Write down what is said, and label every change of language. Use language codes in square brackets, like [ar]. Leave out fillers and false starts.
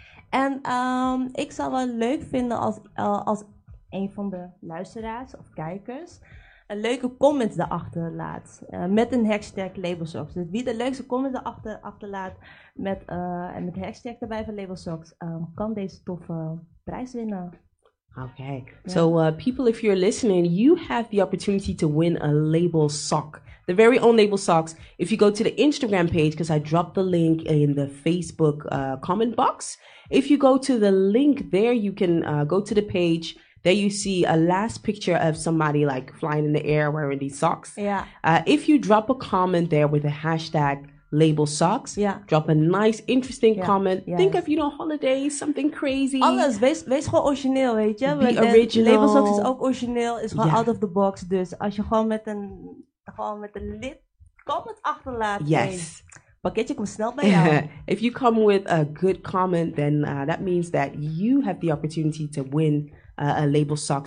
[nl] En ik zou wel leuk vinden als een van de luisteraars of kijkers een leuke comment erachter laat. Met een hashtag Labelsocks. Dus wie de leukste comment erachter laat met de hashtag erbij van Labelsocks, kan deze toffe prijs winnen. [en] Okay, yeah. So people, if you're listening, you have the opportunity to win a label sock, the very own label socks. If you go to the Instagram page, because I dropped the link in the Facebook comment box. If you go to the link there, you can go to the page. There you see a last picture of somebody like flying in the air wearing these socks. Yeah. If you drop a comment there with a hashtag label socks, yeah, drop a nice interesting comment. Yes. Think of, you know, holidays, something crazy. [nl] Alles, wees gewoon origineel, weet je. [en] Be original. [nl] Label socks is ook origineel, is gewoon [en] out of the box. [nl] Dus als je gewoon met een lid [en] comment [nl] achterlaat, [en] yes, [nl] pakketje komt snel bij jou. [en] If you come with a good comment, then that means that you have the opportunity to win a label sock.